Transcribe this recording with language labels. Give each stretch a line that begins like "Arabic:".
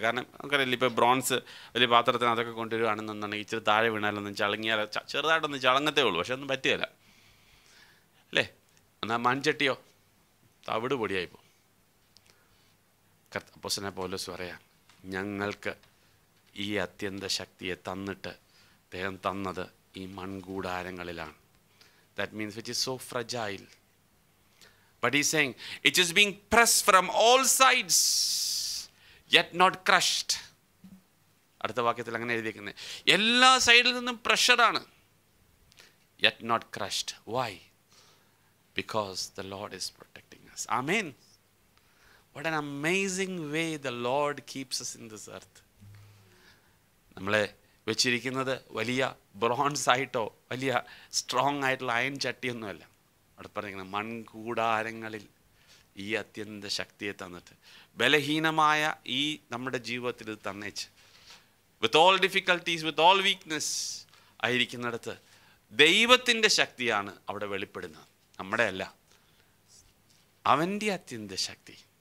Malayalam: കാരണം നമുക്കറിയില്ല, ഇപ്പോൾ ബ്രോൺസ് വലിയ പാത്രത്തിന് അതൊക്കെ കൊണ്ടുവരികയാണെന്നുണ്ടെങ്കിൽ ഇച്ചിരി താഴെ വീണാലൊന്നും ചളങ്ങിയാലോ, ചെറുതായിട്ടൊന്ന് ചളങ്ങത്തേ ഉള്ളൂ, പക്ഷെ ഒന്നും പറ്റുകയില്ല അല്ലേ. എന്നാൽ മൺചട്ടിയോ തവിട് പൊടിയായിപ്പോൾ കർത്താപ്പോസ്തലനായ പൗലോസ് പറയാം, ഞങ്ങൾക്ക് ഈ അത്യന്ത ശക്തിയെ തന്നിട്ട് അദ്ദേഹം തന്നത് ഈ മൺകൂടാരങ്ങളിലാണ്.
English: That means which is so fragile. But he's saying, it is being pressed from all sides, yet not crushed.
Malayalam: അടുത്ത വാക്യത്തിൽ അങ്ങനെ എഴുതിയിരിക്കുന്നത്, എല്ലാ സൈഡിൽ നിന്നും പ്രഷറാണ്,
English: yet not crushed. Why? Because the Lord is protecting us. Amen. What an amazing way the Lord keeps us in this earth.
Malayalam: നമ്മളെ വെച്ചിരിക്കുന്നത് വലിയ ബ്രോൺസ് ആയിട്ടോ വലിയ സ്ട്രോങ് ആയിട്ടുള്ള അയൺ ചട്ടിയൊന്നുമല്ല. അവിടെ പറയുന്നത് മൺകൂടാരങ്ങളിൽ ഈ അത്യന്ത ശക്തിയെ തന്നിട്ട്, ബലഹീനമായ ഈ നമ്മുടെ ജീവിതത്തിൽ ഇത് തന്നേച്ച്,
English: with all difficulties with all weakness
Malayalam: ആയിരിക്കുന്നിടത്ത് ദൈവത്തിൻ്റെ ശക്തിയാണ് അവിടെ വെളിപ്പെടുന്നത്, നമ്മുടെ അല്ല, അവൻ്റെ അത്യന്ത ശക്തി.